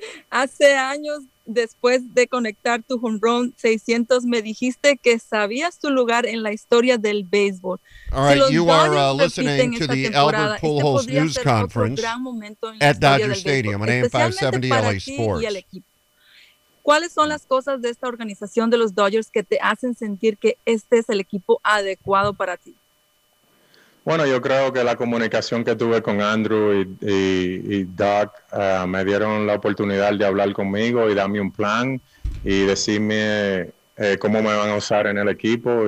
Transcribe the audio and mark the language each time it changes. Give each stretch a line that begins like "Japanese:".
Spanish: Hace años, después de conectar tu home run 600, me dijiste que sabías tu lugar en la historia del béisbol.
English: All right, you are listening to the Albert Pujols News Conference at Dodger Stadium on AM 570 LA Sports.
Spanish: ¿Cuáles son las cosas de esta organización de los Dodgers que te hacen sentir que este es el equipo adecuado para ti? Bueno, yo creo que la comunicación que tuve con Andrew y Doug me dieron la oportunidad de hablar conmigo y darme un plan y decirme cómo me van a usar en el equipo.